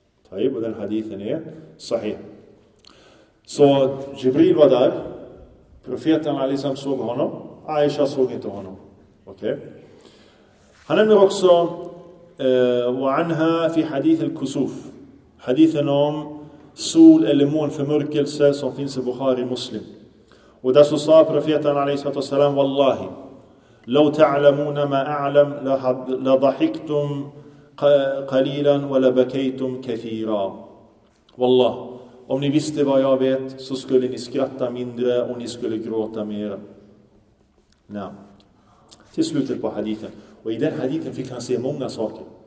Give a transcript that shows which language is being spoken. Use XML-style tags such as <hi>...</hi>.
<sv>Taib, och den hadithen är sahih. Så Jibril var där, profeten alaihissalam såg honom, Aisha såg inte honom. Okej. Han nämner också</sv> <ar>وعنها في حديث الكسوف,</ar> <sv>hadithen om sol eller mån förmörkelse som finns i Bukhari Muslim. Och där så sa profeten alaihissalam,</sv> <ar>wallahi لو تعلمون ما أعلم لضحكتم قليلا ولبكيتم كثيرا.</ar> <sv>والله, om ni visste vad jag vet så skulle ni skratta mindre och ni skulle gråta mer. Till slutet på hadithen. Och i den hadithen fick han se många saker.</sv>